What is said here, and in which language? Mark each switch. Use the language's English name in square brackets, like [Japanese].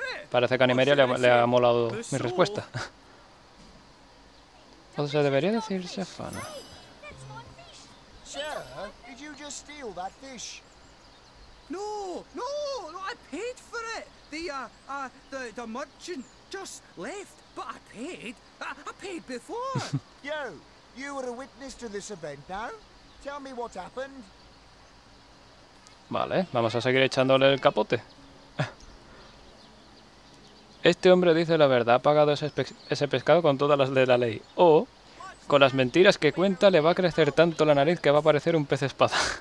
[Spanish] Parece que a Nymeria le ha molado mi respuesta. O sea, debería decir Sefana. [English] Sarah, did you just steal that fish? No, no, no, I paid for it. The merchant just left, but I paid. I paid before. You were a witness to this event now. Tell me what happened. [Spanish] Vale, vamos a seguir echándole el capote. Este hombre dice la verdad, ha pagado ese pescado con todas las de la ley. O, con las mentiras que cuenta, le va a crecer tanto la nariz que va a parecer un pez espada.